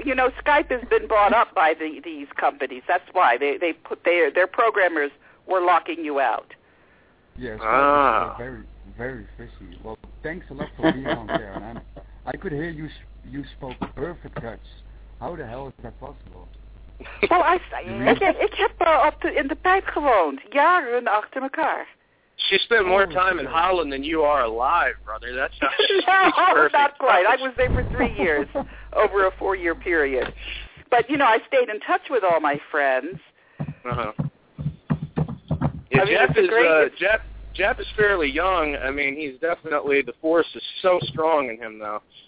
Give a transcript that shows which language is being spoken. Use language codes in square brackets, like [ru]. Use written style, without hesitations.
[en] You know, Skype has been bought up by these companies. That's why they put their programmers. We're locking you out. Yes. Very, very fishy. Well, thanks a lot for being on, Karen. I could hear you. You spoke perfect Dutch. How the hell is that possible? [nl] Well, ik heb op de in de pijp gewoond jaren achter elkaar. [en] She spent more time in Holland than you are alive, brother. That's not quite. I was there for 3 years over a 4-year period. But you know, I stayed in touch with all my friends. Yeah, Jeff is fairly young. I mean, he's definitely, the force is so strong in him, though.